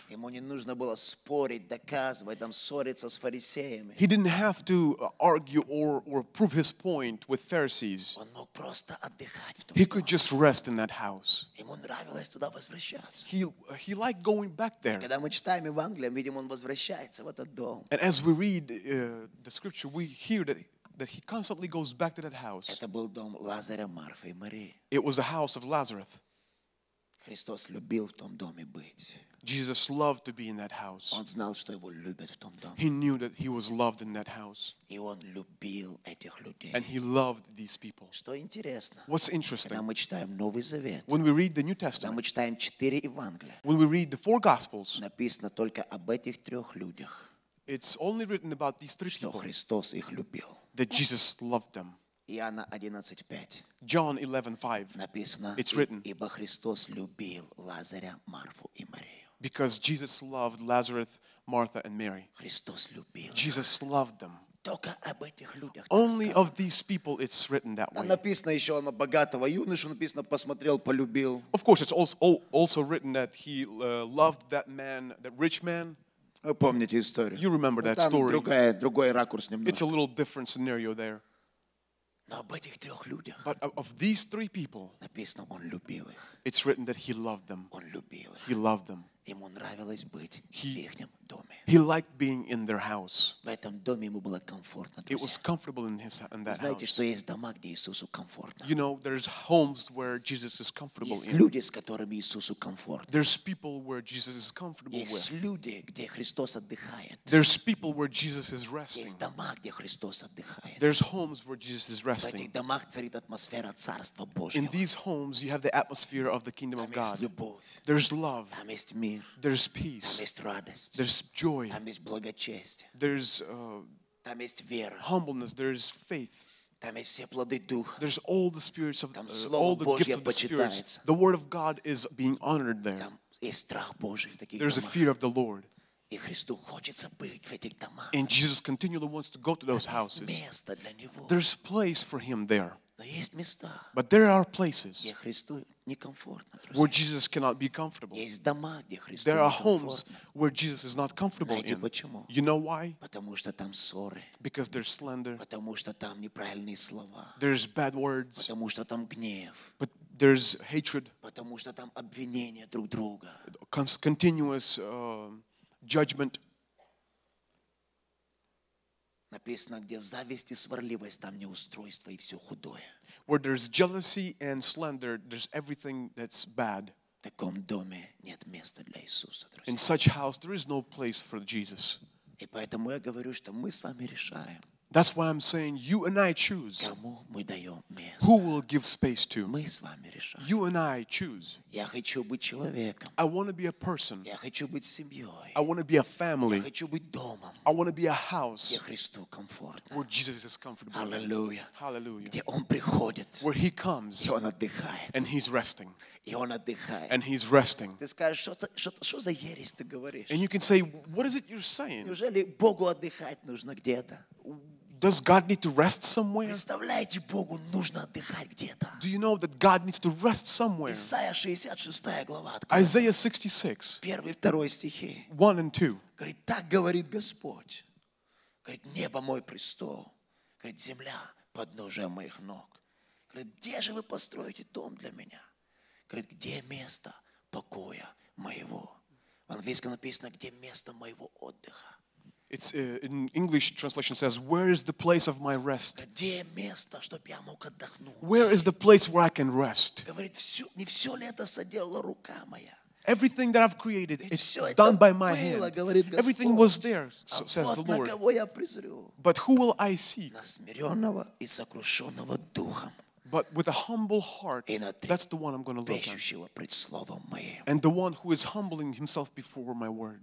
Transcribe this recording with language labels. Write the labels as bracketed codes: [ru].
[ru] Ему не нужно было спорить, доказывать, там ссориться с фарисеями. [en] He didn't have to argue or prove his point with Pharisees. [ru] Он мог просто отдыхать в том доме. [en] He could just rest in that house. [ru] Ему нравилось туда возвращаться. [en] He liked going back there. [ru] Когда мы читаем Евангелие, видим, он возвращается в этот дом. [en] And as we read the scripture, we hear that he constantly goes back to that house. [ru] Это был дом Лазаря, Марфы и Марии. [en] It was a house of Lazarus. [ru] Христос любил в том доме быть. [en] Jesus loved to be in that house. [ru] Он знал, что его любят в том доме. [en] He knew that he was loved in that house. [ru] И он любил этих людей. [en] And he loved these people. [ru] Что интересно? [en] What's interesting? [ru] Когда мы читаем Новый Завет. [en] When we read the New Testament. [ru] Когда мы читаем четыре Евангелия. [en] When we read the four Gospels. [ru] Написано только об этих трех людях. [en] It's only written about these three [ru] что [en] people. [ru] Христос их любил. [en] That Jesus loved them. [ru] Иоанна 11:5. [en] John 11:5. [ru] Написано. [en] It's written. [ru] Ибо Христос любил Лазаря, Марфу и Марию. [en] Because Jesus loved Lazarus, Martha and Mary. [ru] Христос любил. [en] Jesus loved them. [ru] Только об этих людях. [en] Only of these people it's written that way. [ru] Написано еще на богатого юношу, написано посмотрел, полюбил. [en] Of course it's also written that he loved that man, that rich man. [ru] Вы помните историю? [en] You remember that story. [ru] Другой ракурс немного. [en] It's a little different scenario there. [ru] Но об этих трех людях. [en] But of these three people. [ru] Написано, он любил их. [en] It's written that he loved them. [ru] Он любил их. [en] He loved them. [ru] Ему нравилось быть в ихнем доме. [en] He liked being in their house. [ru] В этом доме ему было комфортно. [en] It was comfortable in his in that [ru] Знаете, что есть дома, где Иисусу комфортно? [en] You know, there's homes where Jesus is comfortable. [ru] Есть люди, с которыми Иисусу комфортно. [en] There's people where Jesus is comfortable [ru] есть Есть люди, где Христос отдыхает. [en] There's people where Jesus is resting. [ru] Есть дома, где Христос отдыхает. [en] There's homes where Jesus is resting. [ru] В этих домах царит атмосфера Царства Божьего. [en] In these homes, you have the atmosphere of the kingdom [ru] там [en] of God. [ru] Там есть любовь. [en] There's love. [ru] Там есть мир. [en] There's peace. [ru] Там есть радость. [en] There's joy. [ru] Там есть благочестие. [en] There's [ru] там есть вера. [en] Humbleness. There's faith. [ru] Там есть все плоды духа. [en] There's all the spirits of [ru] там слово Божье почитается. [en] The word of God is being honored there. [ru] Там есть страх Божий в таких домах. [en] There's a fear of the Lord. [ru] И Христу хочется быть в этих домах. [en] And Jesus continually wants to go to those houses. [ru] Там есть место для него. [en] There's place for him there. [ru] Но есть места. [en] But there are places. [ru] Где Христу некомфортно, друзья. [en] Where Jesus cannot be comfortable. [ru] Есть дома, где Христу [en] there are homes where Jesus is not comfortable [ru] знаете, [en] in. [ru] Почему? [en] You know why? [ru] Потому что там ссоры. [en] Because there's slander. [ru] Потому что там неправильные слова. [en] There's bad words. [ru] Потому что там гнев. [en] But there's hatred. [ru] Потому что там обвинения друг друга. [en] Continuous judgment. [ru] Написано, где зависть и сварливость, там неустройство и все худое. [en] Where there's jealousy and slander, there's everything that's bad. [ru] В таком доме нет места для Иисуса, друзья. [en] In such house, there is no place for Jesus. [ru] И поэтому я говорю, что мы с вами решаем. [en] That's why I'm saying you and I choose. [ru] Кому мы даем место? [en] Who will give space to? [ru] Мы с вами решаем. [en] You and I choose. [ru] Я хочу быть человеком. [en] I want to be a person. [ru] Я хочу быть семьей. [en] I want to be a family. [ru] Я хочу быть домом. [en] I want to be a house. [ru] Где Христу комфортно. [en] Where Jesus is comfortable. Hallelujah. Hallelujah. [ru] Где Он приходит. [en] Where He comes. [ru] И Он отдыхает. [en] And He's resting. [ru] И Он отдыхает. [en] And He's resting. [ru] Ты скажешь, что за ересь ты говоришь? [en] And you can say, what is it you're saying? [ru] Неужели Богу отдыхать нужно где-то? [en] Does God need to rest somewhere? [ru] Представляете, Богу нужно отдыхать где-то. [en] Do you know that God needs to rest somewhere? [ru] Исайя 66 глава. [en] Isaiah 66. [ru] Первый и второй стихи. [en] 1 and 2. [ru] Говорит, так говорит Господь. Говорит, небо мой престол. Говорит, земля подножие моих ног. Говорит, где же вы построите дом для меня? Говорит, где место покоя моего? В английском написано, где место моего отдыха. [en] It's in English translation says, where is the place of my rest? [ru] Где место, чтобы я мог отдохнуть? [en] Where is the place where I can rest? [ru] Говорит, всё, не всё ли это соделала рука моя? [en] Everything that I've created, it's done by my hand. Everything was there, says the Lord. But who will I see? [ru] На смиренного и сокрушенного духом. [en] But with a humble heart, that's the one I'm going to look at. And the one who is humbling himself before my word.